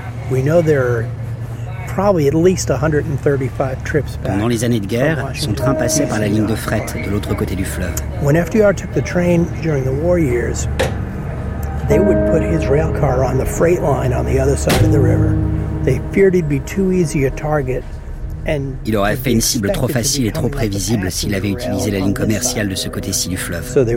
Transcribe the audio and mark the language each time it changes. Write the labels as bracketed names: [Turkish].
[English] We know there are probably at least 135 trips back. [French] Pendant les années de guerre, son train passait par la ligne de fret de l'autre côté du fleuve. [English] When FDR took the train during the war years, they would put his rail car on the freight line on the other side of the river. They feared he'd be too easy a target [French] Il aurait fait une cible trop facile et trop prévisible s'il avait utilisé la ligne commerciale de ce côté-ci du fleuve.